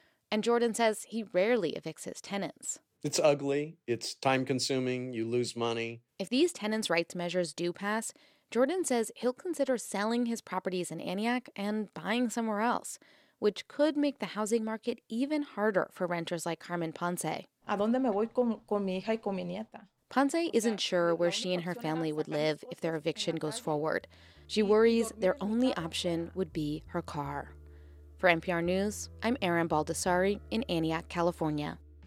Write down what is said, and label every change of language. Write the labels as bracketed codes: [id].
[en] And Jordan says he rarely evicts his tenants. It's ugly. It's time consuming. You lose money. If these tenants' rights measures do pass, Jordan says he'll consider selling his properties in Antioch and buying somewhere else, which could make the housing market even harder for renters like Carmen Ponce. [es] ¿A dónde me voy con mi hija y con mi nieta? [en] Ponce isn't sure where she and her family would live if their eviction goes forward. She worries their only option would be her car. For NPR News, I'm Erin Baldessari in Antioch, California.